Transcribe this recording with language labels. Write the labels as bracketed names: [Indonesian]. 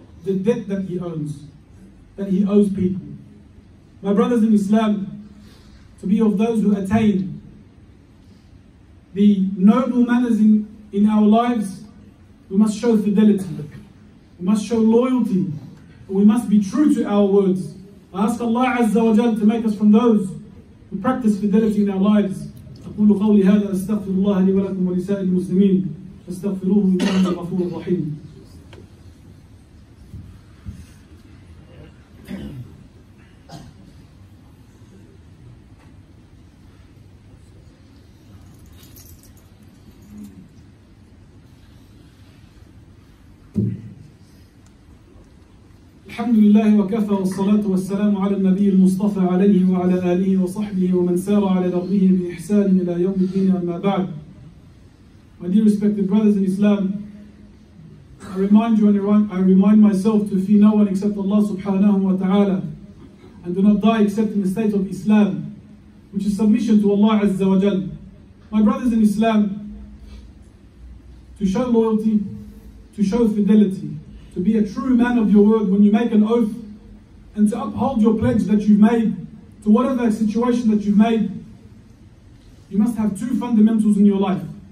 [English] The debt that he owes. That he owes people. My brothers in Islam, to be of those who attain the noble manners in our lives, we must show fidelity. We must show loyalty. We must be true to our words. I ask Allah Azza wa Jal to make us from those who practice fidelity in our lives. [Arabic] أقول قولي هذا أستغفر الله لي ولكم ولسائر المسلمين فاستغفروه إنه الغفور الرحيم. الحمد لله وكفى والصلاة والسلام على النبي المصطفى عليه وعلى آله وصحبه ومن سار على دربه بإحسان إلى يوم الدين أما بعد. [English] My dear respected brothers in Islam, I remind myself to fear no one except Allah subhanahu wa ta'ala, and do not die except in the state of Islam, which is submission to Allah Azza wa Jal. My brothers in Islam, to show loyalty, to show fidelity, to be a true man of your word when you make an oath, and to uphold your pledge that you've made to whatever situation that you've made, you must have two fundamentals in your life.